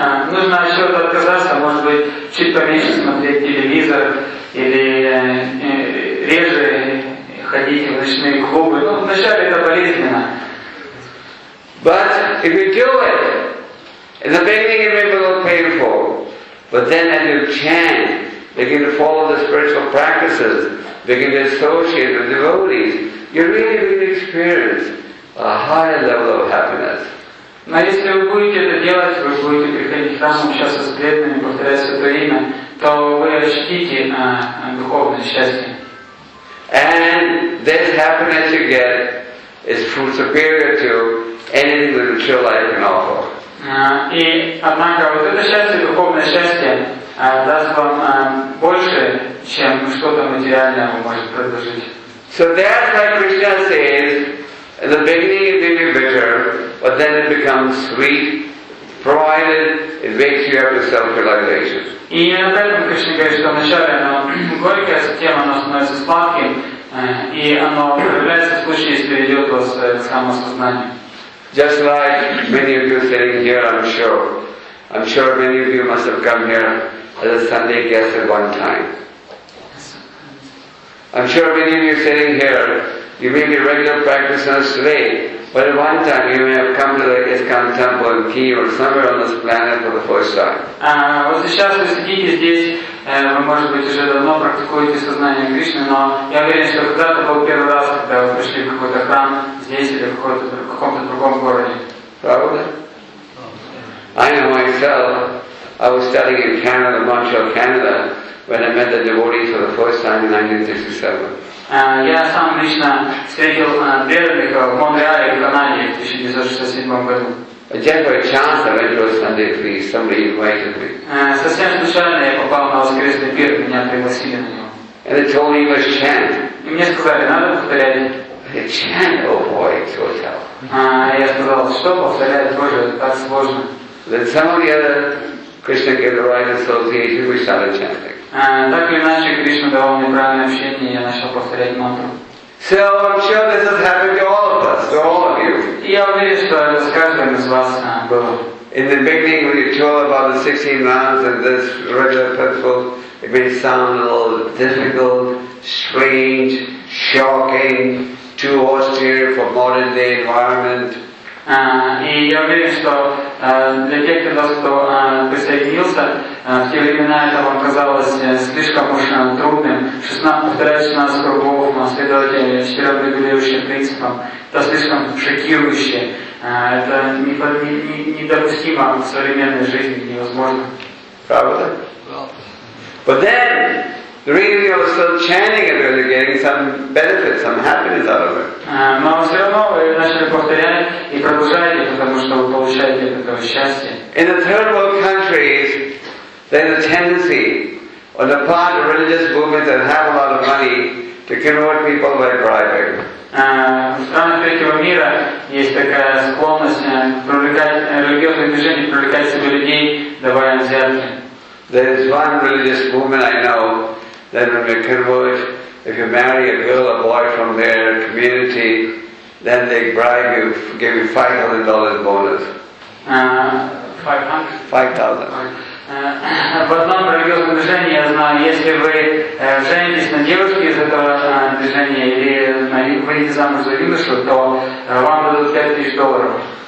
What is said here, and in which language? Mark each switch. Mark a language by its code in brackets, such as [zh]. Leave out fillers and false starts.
[ru] Нужно еще отказаться, может быть, чуть поменьше смотреть телевизор или реже ходить в ночные клубы. Ну, вначале это болезненно. [en] But if you do it, in the beginning it may be a little painful, but then as you chant, begin to follow the spiritual practices, begin to associate with devotees, you really, really experience a high level of happiness. [ru] Но если вы будете это делать, вы будете приходить там, общаться с преданными, повторять Святое Имя, то вы ощутите духовное счастье. [en] And this happiness you get is superior to anything that the material life can offer. [ru] И, однако, вот это счастье, духовное счастье, даст вам больше, чем что-то материальное вы можете предложить. [en] So that's why Krishna says, in the beginning it may be bitter, but then it becomes sweet, provided it wakes you up to self-realization. [ru] И поэтому Кришна говорит, что вначале оно горькое, затем оно становится сладким, и оно проявляется в случае, если ведет вас к самосознанию. [en] Just like many of you sitting here, I'm sure many of you must have come here as a Sunday guest at one time. I'm sure many of you sitting here, you may be regular practitioners today, but at one time you may have come to the ISKCON temple in Kyiv or somewhere on this planet for the first time. [ru] Вот сейчас вы сидите здесь, вы, может быть, уже давно практикуете сознание Кришны, но я уверен, что когда-то был первый раз, когда вы пришли в какой-то храм здесь или в каком-то другом городе. Правда? [en] I know myself, I was studying in Canada, Montreal, Canada, when I met the devotees for the first time in 1967. [ru] Я сам лично встретил преданных в Монреале, в Канаде, в 1967 году. [en] Just by chance, I went to a Sunday feast. Somebody invited me. [ru] Совсем случайно я попал на воскресный пир, меня пригласили на него. [en] And they told me it was chant. [ru] И мне сказали, надо повторять. [en] I said, chant, oh boy, it's so tough. [ru] Я сказал, что повторять, Боже, так сложно. [en] Then some of the other Krishna gave the right association, we started chanting. [ru] Так или иначе, Кришна давал мне правильное общение, и я начал повторять мантру. [en] So I'm sure this has happened to all of us, to all of you. [ru] Я уверен, что это с каждым из вас было. [en] In the beginning, when you tell about the 16 rounds and this regular principle, it may sound a little difficult, strange, shocking, too austere for modern day environment. [ru] И я уверен, что для тех из вас, кто присоединился, в те времена это вам казалось слишком уж трудным. 16 кругов, следовательно, 4 регулирующим принципам. Это слишком шокирующе. Это недопустимо в современной жизни, невозможно. Правда? [en] But then, the reason you're still chanting it, really getting some benefit, some happiness out of it. [ru] Но все равно вы начали повторять и продолжаете, потому что вы получаете от этого счастье. [en] In the third world countries, there's a tendency on the part of religious movements that have a lot of money to convert people by bribing. [ru] В странах третьего мира есть такая склонность религиозные движения привлекать себе людей, давая им взятки. [en] There is one religious movement I know that when they convert, if you marry a girl or boy from their community, then they bribe you, give you $500 bonus. $5,000. [ru] В одном религиозном движении я знаю, если вы женитесь на девушке из этого движения или выйдете замуж за юношу, то вам дадут $5,000.